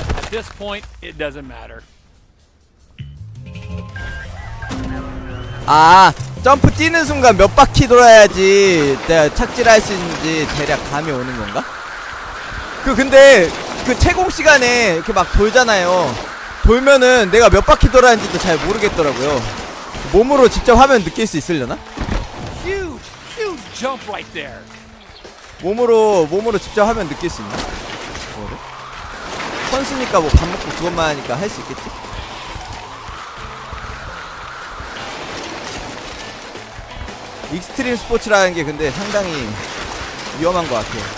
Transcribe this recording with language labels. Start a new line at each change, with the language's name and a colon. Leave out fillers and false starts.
English: At this point, it doesn't matter.
Korean: 아, 점프 뛰는 순간 몇 바퀴 돌아야지 내가 착지를 할 수 있는지 대략 감이 오는 건가? 그 근데 그 채공 시간에 이렇게 막 돌잖아요. 돌면은 내가 몇 바퀴 돌아야는지도 잘 모르겠더라고요. 몸으로 직접 하면 느낄 수 있으려나?
English: Huge, huge jump right there.
Korean: 몸으로 직접 하면 느낄 수 있나? 그거를? 선수니까 뭐 밥 먹고 그것만 하니까 할 수 있겠지? 익스트림 스포츠라는 게 근데 상당히 위험한 것 같아요.